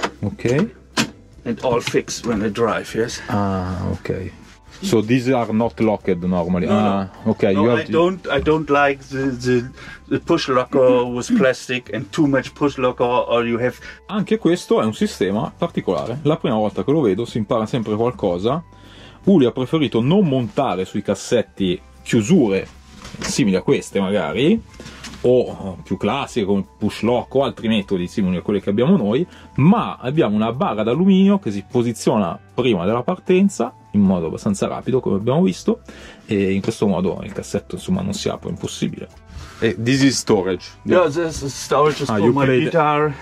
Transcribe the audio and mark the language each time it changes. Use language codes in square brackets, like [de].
[en] Okay. And all fixed when I drive, yes? Ah, okay. So these are not locked normally. No, okay. No, you have I don't like the push locker with plastic and too much push locker or you have. [it] Anche questo è un sistema particolare. La prima volta che lo vedo si impara sempre qualcosa. Uli ha preferito non montare sui cassetti chiusure simili a queste magari, o più classiche come push lock o altri metodi simili a quelli che abbiamo noi, ma abbiamo una barra d'alluminio che si posiziona prima della partenza in modo abbastanza rapido, come abbiamo visto, e in questo modo il cassetto insomma non si apre, impossibile. [en] E this is storage. No, yeah, this is storage is for my guitar.